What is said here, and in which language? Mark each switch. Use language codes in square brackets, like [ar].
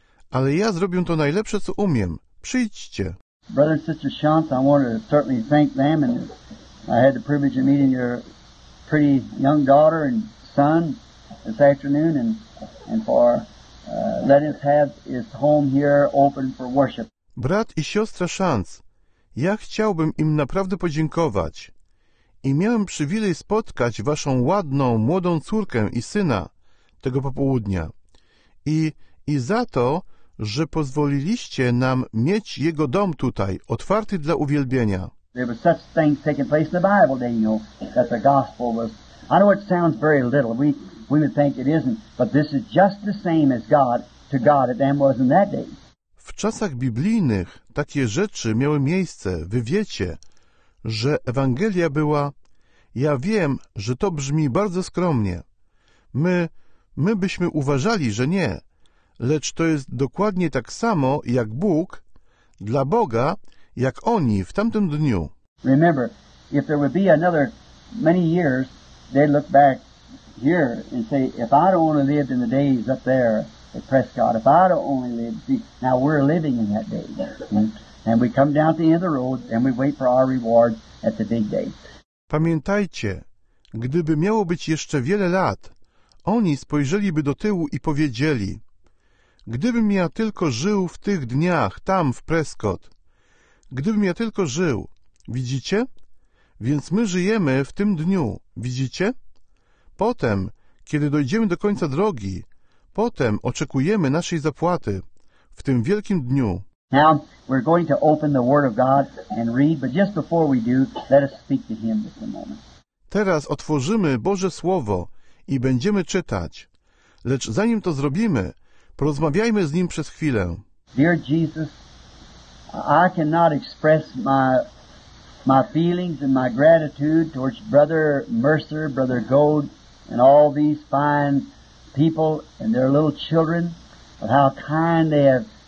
[pl] Ale ja zrobię to najlepsze, co umiem. Przyjdźcie. [en] Brother and sister Shantz, I want to certainly thank them. And I had the privilege of meeting your pretty young daughter and son this afternoon. And for letting us have his home here open for worship. [pl] Brat i siostra Shantz, ja chciałbym im naprawdę podziękować. I miałem przywilej spotkać waszą ładną, młodą córkę i syna tego popołudnia. I za to, że pozwoliliście nam mieć jego dom tutaj, otwarty dla uwielbienia. [en] There were such things taking place in the Bible, Daniel, that the gospel was... I know it sounds very little. We would think it isn't, but this is just the same as God to God at them was in that day. [pl] W czasach biblijnych takie rzeczy miały miejsce. Wy wiecie, że Ewangelia była... Ja wiem, że to brzmi bardzo skromnie. My byśmy uważali, że nie. Lecz to jest dokładnie tak samo, jak Bóg, dla Boga, jak oni w tamtym dniu. [en] Remember, if there would be another many years, they'd look back here and say, if I'd only lived in the days up there at Prescott, if I'd only lived, see, now we're living in that day. And we come down to the end of the road and we wait for our reward at the big day. [pl] Pamiętajcie, gdyby miało być jeszcze wiele lat, oni spojrzeliby do tyłu i powiedzieli, gdybym ja tylko żył w tych dniach, tam w Prescott, gdybym ja tylko żył, widzicie? Więc my żyjemy w tym dniu, widzicie? Potem, kiedy dojdziemy do końca drogi, potem oczekujemy naszej zapłaty, w tym wielkim dniu. [en] Now we're going to open the Word of God and read, but just before we do, let us speak to Him just a moment. [pl] Teraz otworzymy Boże Słowo i będziemy czytać. Lecz zanim to zrobimy, porozmawiajmy z Nim przez chwilę. [en] Dear Jesus, I cannot express my feelings and my gratitude towards Brother Mercer, Brother Gold, and all these fine people and their little children, of how kind they have.